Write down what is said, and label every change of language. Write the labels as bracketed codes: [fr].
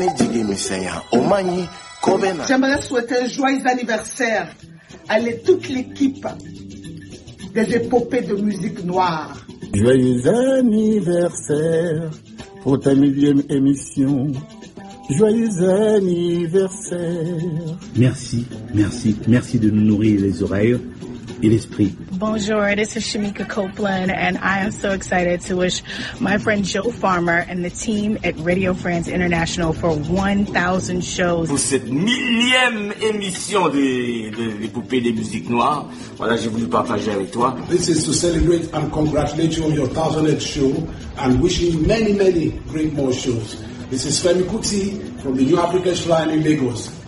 [fr] J'aimerais souhaiter un joyeux anniversaire à toute l'équipe des épopées de musique noire. Joyeux anniversaire pour ta millième émission. Joyeux anniversaire. Merci, merci, merci de nous nourrir les oreilles et l'esprit. [en] Bonjour, this is Shamika Copeland and I am so excited to wish my friend Joe Farmer and the team at Radio France International for 1,000 shows. [fr] Pour cette millième émission de l'épopée des musiques noires, voilà, j'ai voulu partager avec toi. [en] This is to celebrate and congratulate you on your 1,000th show and wishing you many, many great more shows. This is Femi Kuti from the New Africa Shrine in Lagos.